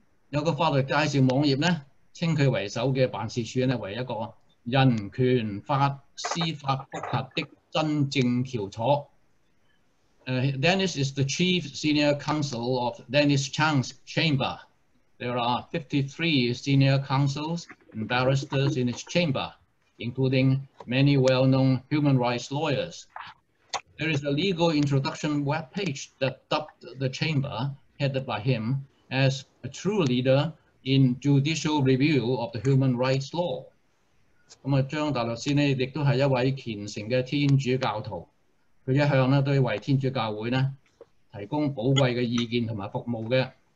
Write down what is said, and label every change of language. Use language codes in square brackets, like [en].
[yue] 有個法律介紹網頁咧，稱佢為首嘅辦事處咧，為一個人權法司法複核的真正橋楚。 [en] Denis is the chief senior counsel of Denis Chang's chamber. There are 53 senior counsels and barristers in its chamber, including many well-known human rights lawyers. There is a legal introduction webpage that dubbed the chamber, headed by him, as a true leader in judicial review of the human rights law. [yue] 咁啊，張大律師呢，亦都係一位虔誠嘅天主教徒，佢一向咧都為天主教會咧提供寶貴嘅意見同埋服務嘅。